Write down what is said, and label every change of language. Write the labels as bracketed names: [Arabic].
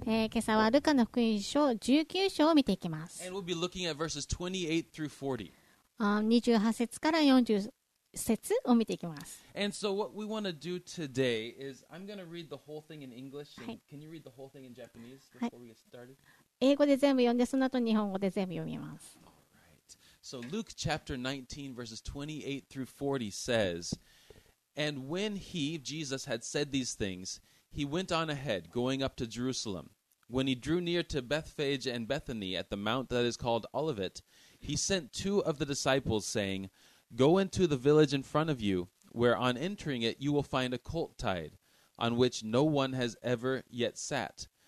[Japanese] 今朝はルカの福音書19章を見ていきます。 [English] And we'll be looking at verses 28 through 40. [Japanese] 28節から40節を見ていきます。 [English] And so what we want to do today is I'm going to read the whole thing in English. And can you read the whole thing in Japanese before we get started? [Japanese] 英語で全部読んで、その後日本語で全部読みます。 [English] All right. So Luke chapter 19 verses 28 through 40 says, And when he, Jesus, had said these things, he went on ahead, going up to Jerusalem. When he drew near to Bethphage and Bethany at the mount that is called Olivet,He sent two of the disciples, saying, Go into the village in front of you, where on entering it you will find a colt tied, on which no one has ever yet sat.